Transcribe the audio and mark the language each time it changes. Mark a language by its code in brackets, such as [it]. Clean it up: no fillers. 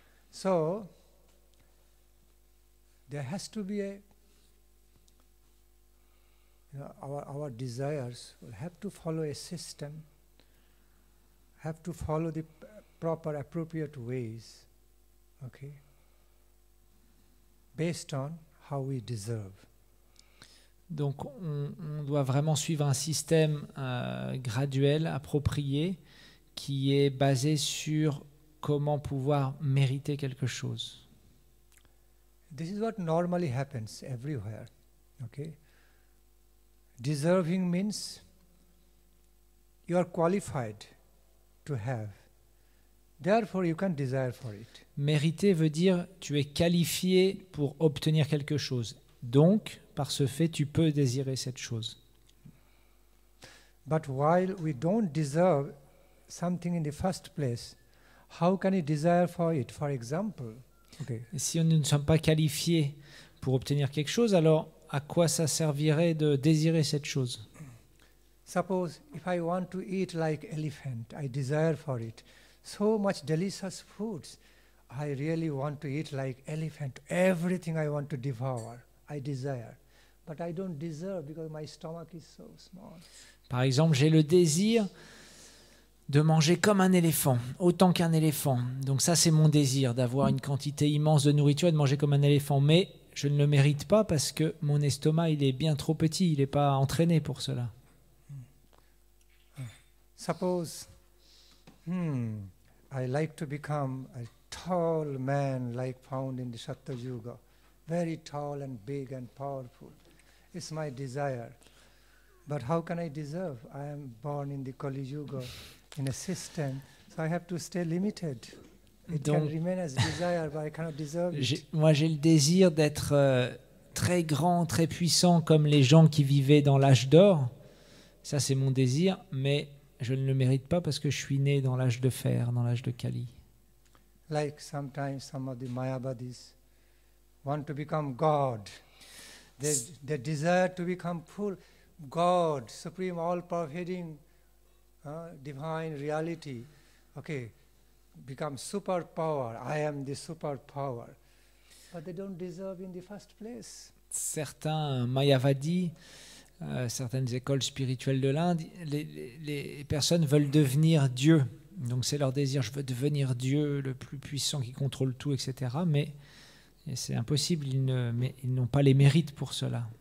[en] So there has to be a, you know, our desires will have to follow a system, have to follow the proper appropriate ways, okay, based on how we deserve. [fr] Donc on doit vraiment suivre un système graduel approprié qui est basé sur comment pouvoir mériter quelque chose. [en] This is what normally happens everywhere, okay? Deserving means you are qualified to have. Therefore, you can desire for it. [fr] Mériter veut dire tu es qualifié pour obtenir quelque chose. Donc, par ce fait, tu peux désirer cette chose. [en] But while we don't deserve something in the first place, how can he desire for it? For example, okay. [fr] Si nous ne sommes pas qualifiés pour obtenir quelque chose, alors à quoi ça servirait de désirer cette chose? [en] Suppose if I want to eat like elephant, I desire for it. So much delicious foods, I really want to eat like elephant. Everything I want to devour, I desire. But I don't deserve because my stomach is so small. [fr] Par exemple, j'ai le désir de manger comme un éléphant, autant qu'un éléphant. Donc ça, c'est mon désir, d'avoir une quantité immense de nourriture et de manger comme un éléphant. Mais je ne le mérite pas parce que mon estomac, il est bien trop petit, il n'est pas entraîné pour cela. [en] Suppose, I like to become a tall man like found in the Satya Yuga. Very tall and big and powerful. It's my desire. But how can I deserve? I am born in the Kali Yuga, in a system, so I have to stay limited. Donc, can remain as desire, but I cannot deserve it. [fr] Moi, j'ai le désir d'être très grand, très puissant, comme les gens qui vivaient dans l'âge d'or. Ça, c'est mon désir, mais je ne le mérite pas parce que je suis né dans l'âge de fer, dans l'âge de Kali. [en] Like sometimes some of the Mayavadis want to become God. They desire to become full God, supreme, all-pervading, divine reality. Okay, become superpower. I am the superpower. But they don't deserve in the first place. [fr] Certains Mayavadis, certaines écoles spirituelles de l'Inde, les personnes veulent devenir Dieu. Donc c'est leur désir, je veux devenir Dieu, le plus puissant qui contrôle tout, etc. Mais et c'est impossible, ils n'ont pas les mérites pour cela.